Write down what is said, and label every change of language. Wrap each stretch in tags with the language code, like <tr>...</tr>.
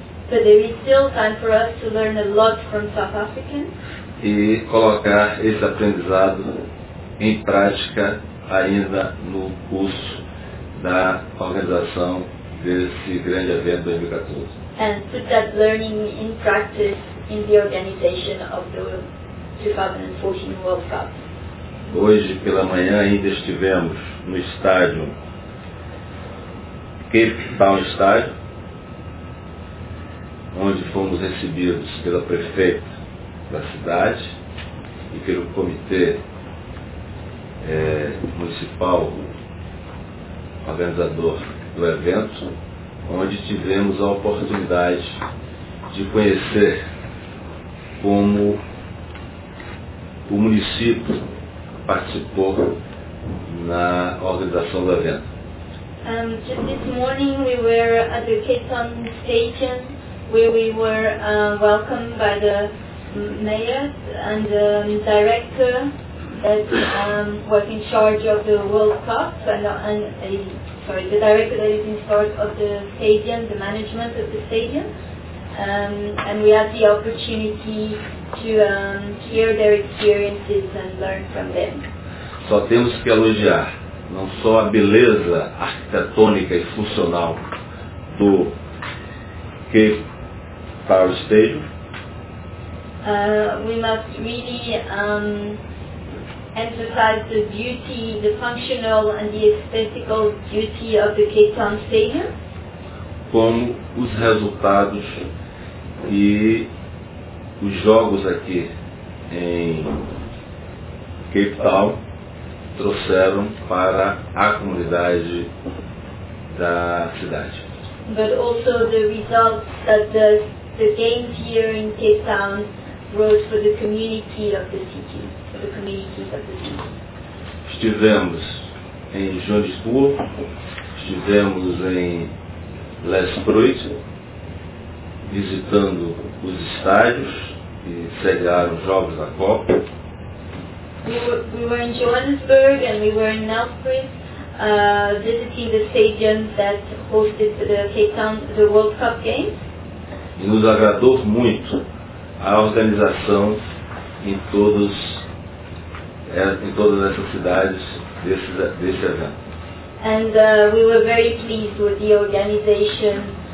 <en>But there is still time for us to learn a lot from South Africans.</en> <pt>E colocar esse aprendizado em prática ainda no curso da organização desse grande evento 2014.</pt> <en>And put that learning in practice in the organization of the 2014 World Cup.</en> <pt>Hoje pela manhã ainda estivemos no estádio Cape Town Stadium, onde fomos recebidos pela prefeita da cidade e pelo comitê municipal organizador do evento, onde tivemos a oportunidade de conhecer como o município participou na organização do evento.</pt> <en>Just this morning we were at the Cape Town Station where we were welcomed by the mayor and the director that was in charge of the World Cup, the director that is in charge of the stadium, the management of the stadium, and we had the opportunity to hear their experiences and learn from them.</en> <pt>Só temos que elogiar não só a beleza arquitetônica e funcional do Cape Town Stadium.</pt> <en>We must really emphasize the beauty, the functional and the aesthetical beauty of the Cape Town Stadium.</en> <pt>Como os resultados e os jogos aqui em Cape Town trouxeram para a comunidade da cidade.</pt> <en>But also the results that the games here in Cape Town wrote for the community of the city, for the communities of the city.</en> <pt>Estivemos em Joanesburgo, estivemos em Les Bruits, visitando os estádios que sediaram os jogos da Copa.</pt> <en>We were in Johannesburg and we were in Nelspruit, visiting the stadiums that hosted the Cape Town, the World Cup games.</en> <pt>E nos agradou muito a organização em todas essas cidades desse evento.</pt> <en>And we were very pleased with the organization</en>